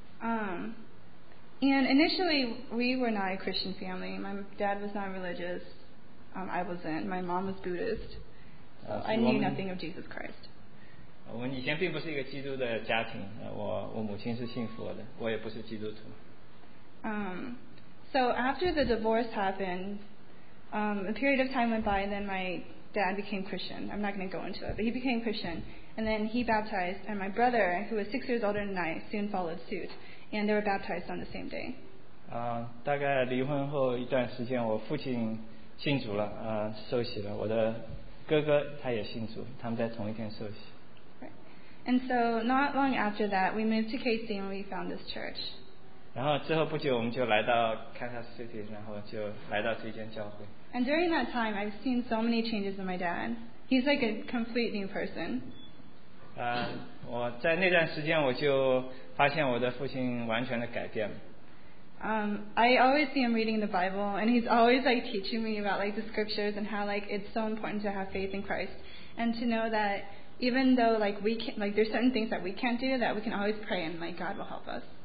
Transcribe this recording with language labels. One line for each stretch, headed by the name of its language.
English: And initially we were not a Christian family. My dad was not religious. I wasn't. My mom was Buddhist. So I knew nothing of Jesus Christ.
Chinese: 我们以前并不是一个基督的家庭。我母亲是信佛的，我也不是基督徒。
English: So after the divorce happened, a period of time went by, and then my dad became Christian. I'm not going to go into it, but he became Christian, and then he baptized, and my brother, who was 6 years older than I, soon followed suit, and they were baptized on the same day.
Chinese: 大概离婚后一段时间，我父亲信主了，受洗了。我的哥哥他也信主，他们在同一天受洗。
English: And so, not long after that, we moved to KC and we found this church.
Chinese: 然后之后不久，我们就来到 Kansas City， 然后就来到这间教会。
English: And during that time, I've seen so many changes in my dad. He's like a complete new person.
Chinese: 我在那段时间我就发现我的父亲完全的改变了。
English: I always see him reading the Bible, and he's always like teaching me about like the scriptures and how like it's so important to have faith in Christ and to know that even though like we can like there's certain things that we can't do that we can always pray and like God will help us.